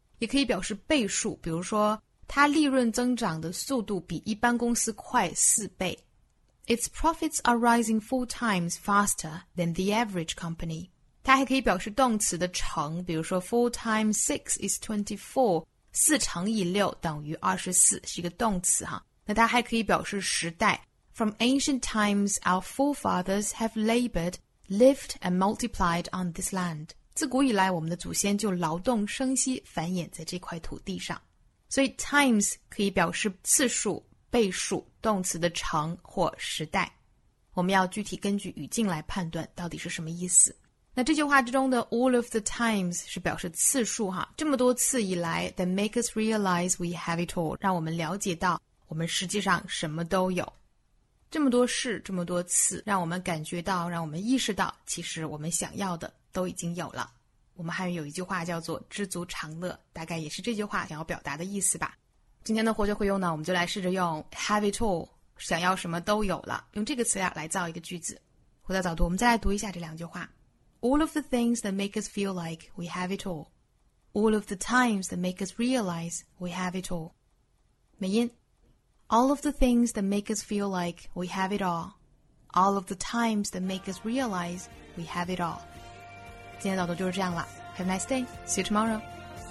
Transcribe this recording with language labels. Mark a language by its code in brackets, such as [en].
[zh] 也可以表示倍数，比如说它利润增长的速度比一般公司快四倍。 [en] Its profits are rising four times faster than the average company. [zh] 它还可以表示动词的乘，比如说 [en] four times six is 24, [zh] 四乘以六等于二十四，是一个动词哈。那它还可以表示时代。 [en] From ancient times, our forefathers have labored, lived, and multiplied on this land. [zh] 自古以来，我们的祖先就劳动、生息、繁衍在这块土地上。所以 ，times 可以表示次数、倍数、动词的乘或时代。我们要具体根据语境来判断到底是什么意思。那这句话之中的 [en] all of the times [zh] 是表示次数哈，这么多次以来 [en] that make us realize we have it all, [zh] 让我们了解到我们实际上什么都有。这么多事，这么多次，让我们感觉到，让我们意识到，其实我们想要的都已经有了。我们汉语有一句话叫做知足常乐，大概也是这句话想要表达的意思吧。今天的活学会用呢，我们就来试着用 [en] have it all, [zh] 想要什么都有了，用这个词呀来造一个句子。回到早读，我们再来读一下这两句话。 [en] All of the things that make us feel like we have it all. All of the times that make us realize we have it all. [zh] 美音 [en] All of the things that make us feel like we have it all. All of the times that make us realize we have it all. 今天早读就是这样了。Have a nice day. See you tomorrow.